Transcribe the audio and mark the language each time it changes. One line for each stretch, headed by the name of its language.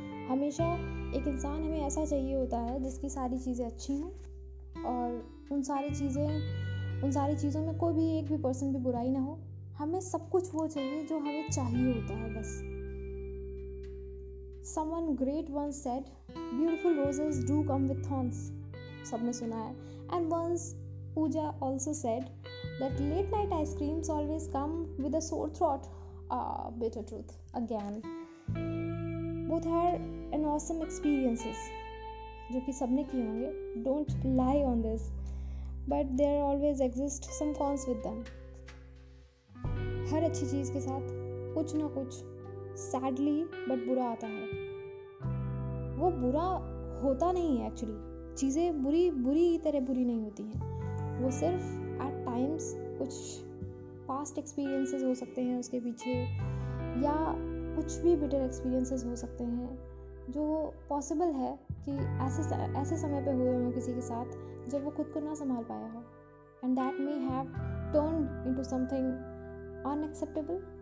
Hindi: हमेशा एक इंसान हमें ऐसा चाहिए होता है जिसकी सारी चीज़ें अच्छी हों, और उन सारी चीज़ों में कोई भी एक भी पर्सन भी बुराई ना हो. हमें सब कुछ वो चाहिए जो हमें चाहिए होता है बस.
English: Someone great once said, "Beautiful roses do come with thorns."
Hindi: सबने सुना है.
English: And once Pooja also said that late night ice creams always come with a sore throat. Bitter truth again. Both are an awesome experiences,
Hindi: जो कि सबने किए होंगे.
English: Don't lie on this, but there always exist some cons with them.
Hindi: हर अच्छी चीज़ के साथ कुछ ना कुछ सैडली बट बुरा आता है। वो बुरा होता नहीं है एक्चुअली, चीज़ें बुरी बुरी ही तरह बुरी नहीं होती हैं, वो सिर्फ एट टाइम्स कुछ पास्ट एक्सपीरियंसेस हो सकते हैं उसके पीछे, या कुछ भी बिटर एक्सपीरियंसेस हो सकते हैं जो पॉसिबल है कि ऐसे समय पे हुए हों किसी के साथ जब वो खुद को ना संभाल पाया हो,
English: And that may have turned into something unacceptable.